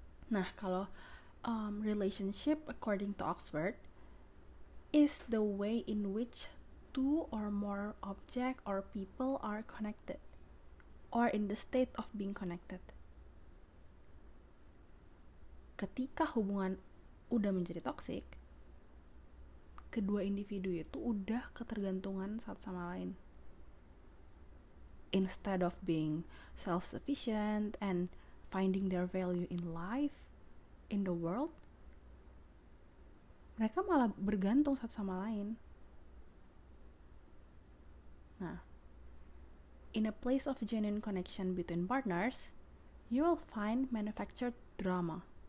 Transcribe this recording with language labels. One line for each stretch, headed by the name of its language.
Indonesian: Nah, kalau
English: relationship according to Oxford is the way in which two or more object or people are connected or in the state of being connected.
Indonesian: Ketika hubungan udah menjadi toxic, kedua individu itu udah ketergantungan satu sama lain.
English: Instead of being self-sufficient and finding their value in life, in the world,
Indonesian: mereka malah bergantung satu sama lain.
English: Nah, in a place of genuine connection between partners, you will find manufactured drama.